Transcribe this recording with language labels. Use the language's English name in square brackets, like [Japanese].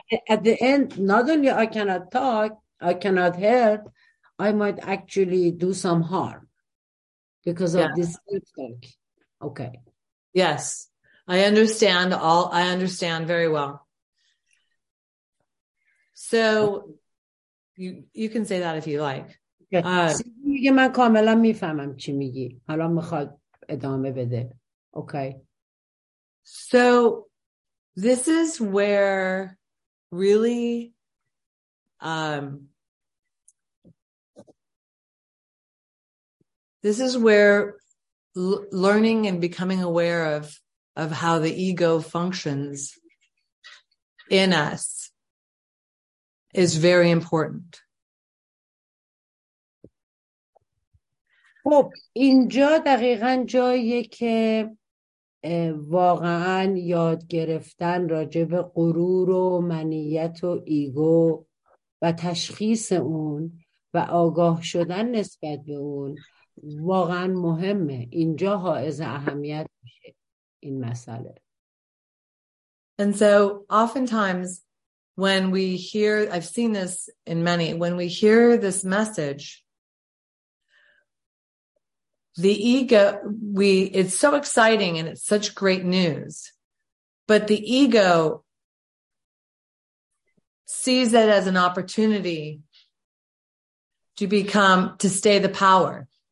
[English] At the end, not only I cannot talk, I cannot help, I might actually do some harm because of this self-talk. Okay. Yes. I understand all. I understand very well. So you can say that if you like. [Persian] میگه من کاملا میفهمم چی میگی. حالا میخواد ادامه بده. Okay. [English] So... This is where really this is where learning and becoming aware of how the ego functions in us is very important. [Persian] خب اینجا دقیقاً جاییه که واقعا یاد گرفتن راجع به غرور و منیت و ایگو و تشخیص اون و آگاه شدن نسبت به اون واقعا مهمه. اینجا حائز اهمیت میشه. این مسئله. [English] And so oftentimes when we hear, I've seen this in many, when we hear this message, the ego, it's so exciting and it's such great news, but the ego sees it as an opportunity to become, to stay the power.